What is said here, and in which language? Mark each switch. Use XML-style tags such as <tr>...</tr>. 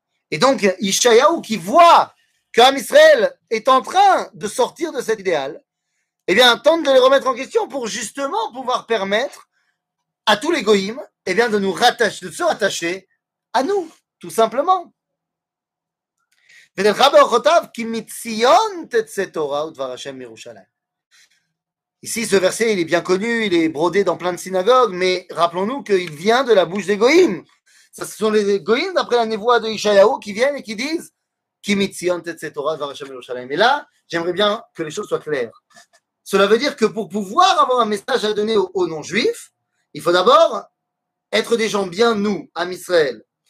<fr>Et donc, Ishayahu qui voit qu'Am Israël est en train de sortir de cet idéal, eh bien, tente de les remettre en question pour justement pouvoir permettre à tous les goyim, eh bien, de se rattacher à nous, tout simplement.</fr> <he>ונלכה באורחותיו כי מציון תצא תורה ודבר השם מירושלים.</he> <fr>Ici, ce verset, il est bien connu, il est brodé dans plein de synagogues, mais rappelons-nous qu'il vient de la bouche des goyim. Ce sont les goyim, d'après la névoie de Ishayahu, qui viennent et qui disent</fr> <he>כי מציון תצא תורה ודבר השם מירושלים.</he> <fr>Et là, j'aimerais bien que les choses soient claires. Cela veut dire que pour pouvoir avoir un message à donner aux non-juifs, il faut d'abord être des gens bien, nous, Am Israël.</fr>